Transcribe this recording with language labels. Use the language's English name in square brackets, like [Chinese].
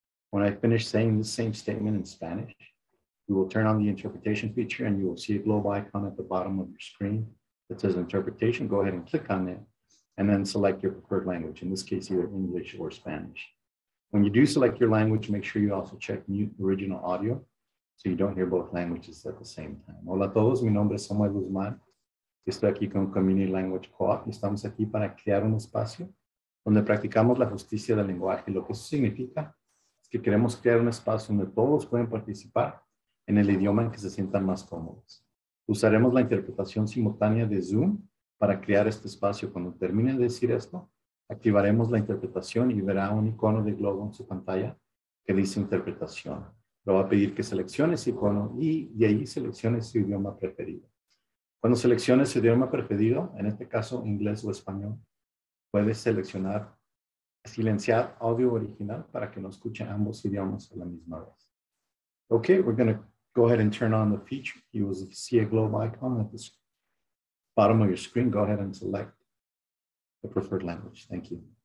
[English] When I finish saying the same statement in Spanish, we will turn on the interpretation feature, and you will see a globe icon at the bottom of your screen. It says interpretation, go ahead and click on it, and then select your preferred language, in this case, either English or Spanish. When you do select your language, make sure you also check mute original audio so you don't hear both languages at the same time. [Spanish] Hola a todos, mi nombre es Samuel Guzmán. Estoy aquí con Community Language Co-op. Estamos aquí para crear un espacio donde practicamos la justicia del lenguaje. Lo que eso significa es que queremos crear un espacio donde todos pueden participar en el idioma en que se sientan más cómodos. Usaremos la interpretación simultánea de Zoom para crear este espacio. Cuando termine de decir esto, activaremos la interpretación y verá un icono de globo en su pantalla que dice interpretación. Lo va a pedir que seleccione ese icono y de ahí seleccione su idioma preferido. Cuando seleccione su idioma preferido, en este caso inglés o español, puede seleccionar silenciar audio original para que no escuche ambos idiomas a la misma vez. [English] Ok, we're going to go ahead and turn on the feature. You will see a globe icon at the bottom of your screen. Go ahead and select the preferred language. Thank you.